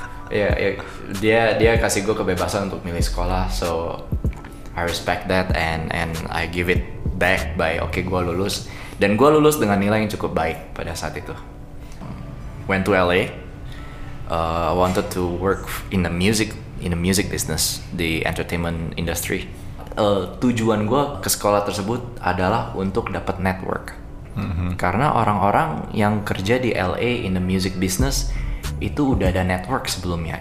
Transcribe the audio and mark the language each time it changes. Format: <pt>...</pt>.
<id>Yeah, dia kasih gue kebebasan untuk milih sekolah,</id> <en>so I respect that and I give it back by okay,</en> <id>gue lulus dan gue lulus dengan nilai yang cukup baik pada saat itu.</id> <en>Went to LA. I wanted to work in the music business, the entertainment industry.</en> <id>Tujuan gue ke sekolah tersebut adalah untuk dapat network. Mm-hmm. Karena orang-orang yang kerja di LA</id> <en>in the music business</en> <id>itu udah ada network sebelumnya.</id>